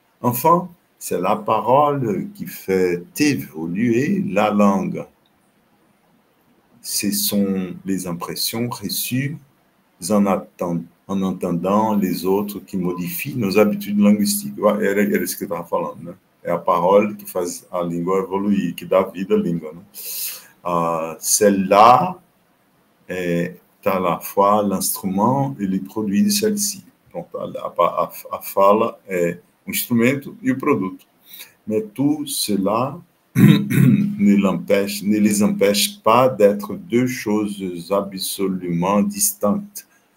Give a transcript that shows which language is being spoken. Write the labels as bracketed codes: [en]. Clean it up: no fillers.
[fr] Enfin, c'est la parole qui fait évoluer la langue. Ce sont les impressions reçues en entendant les autres qui modifient nos habitudes linguistiques. [pt] Era isso que eu estava falando, né? É a parole qui faz a língua évoluer, qui dá vida à língua. Né? [fr] Celle-là est à la fois l'instrument et le produit de celle-ci. [pt] Donc, a fala est o instrumento e o produto. [fr] Mais tout cela ne les empêche pas d'être deux choses absolument distinctes.